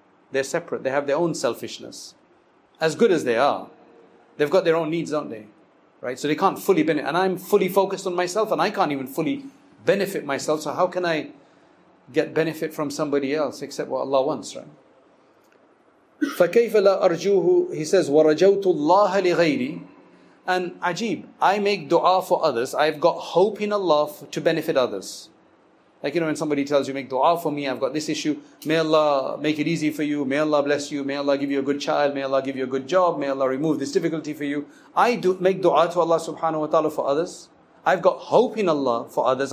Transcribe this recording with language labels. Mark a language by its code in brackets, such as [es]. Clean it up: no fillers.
[en] They're separate, they have their own selfishness. As good as they are, they've got their own needs, don't they? Right? So they can't fully benefit. And I'm fully focused on myself, and I can't even fully benefit myself. So how can I get benefit from somebody else except what Allah wants, right? [ar] فَكَيْفَ لَا أَرْجُوهُ. [en] He says, [ar] وَرَجَوْتُ اللَّهَ لِغَيْرِي. [en] And ajib, I make dua for others. I've got hope in Allah to benefit others. Like, you know, when somebody tells you, make dua for me, I've got this issue. May Allah make it easy for you. May Allah bless you. May Allah give you a good child. May Allah give you a good job. May Allah remove this difficulty for you. I do make dua to Allah subhanahu wa ta'ala for others. I've got hope in Allah for others.